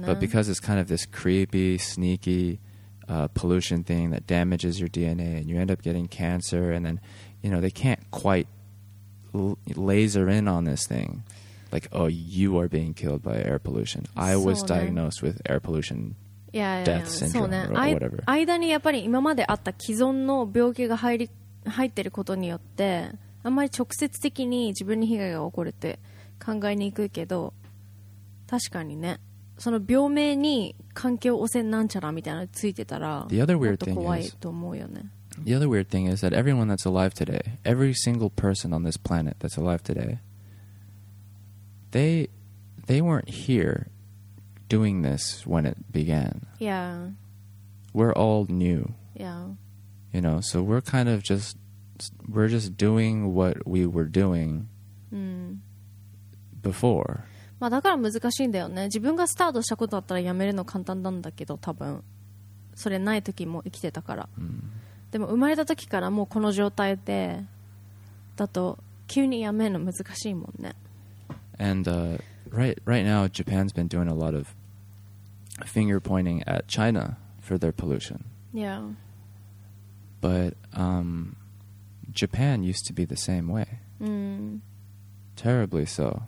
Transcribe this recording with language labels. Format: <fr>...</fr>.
<en>but because it's kind of this creepy, sneaky, pollution thing that damages your DNA, and you end up getting cancer, and then, you know, they can't quite laser in on this thing. Like, oh, you are being killed by air pollution. I was diagnosed with air pollution.</en> <ja>そうね。間にやっぱり今まであった既存の病気が入ってることによってあんまり直接的に自分に被害が起こるって考えにくいけど確かにね。その病名に環境汚染なんちゃらみたいなのついてたら、もっと怖いと思うよね。</ja> <en>The other weird thing is that everyone that's alive today, every single person on this planet that's alive today, they weren't here doing this when it began. Yeah. We're all new. Yeah. You know, so we're kind of just, we're just doing what we were doing、before.</en> <ja>まあだから難しいんだよね。自分がスタートしたことだったらやめるの簡単なんだけど、多分それない時も生きてたから。でも生まれた時からもうこの状態でだと急にやめるの難しいもんね。</ja> <en>And、right now Japan's been doing a lot of finger pointing at China for their pollution. Yeah. But、Japan used to be the same way.、Terribly so.</en>